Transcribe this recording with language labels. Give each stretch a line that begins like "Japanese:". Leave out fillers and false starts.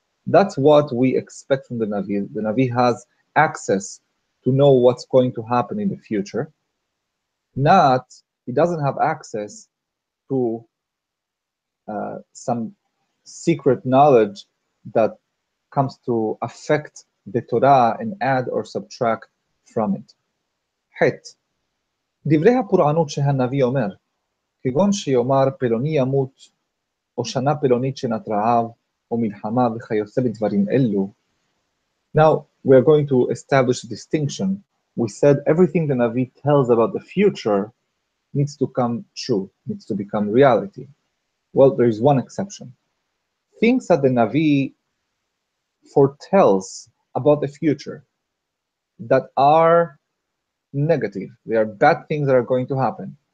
English: That's what we expect from the Navi. The Navi has access to know what's going to happen in the future. Not, he doesn't have access to some secret knowledge that comes to affect the Torah and add or subtract from it.
Hebrew: Het. דברי הפורענות שהנביא אומר, כגון שיאמר פלוני ימות, או שנה פלונית שנת רעב, או מלחמה וכיוצא בדברים אלו.
English: Now, we are going to establish a distinction. We said everything the Navi tells about the future needs to come true, needs to become reality. Well, there is one exception. Things that the Navi foretells about the future that are negative, they are bad things that are going to happen.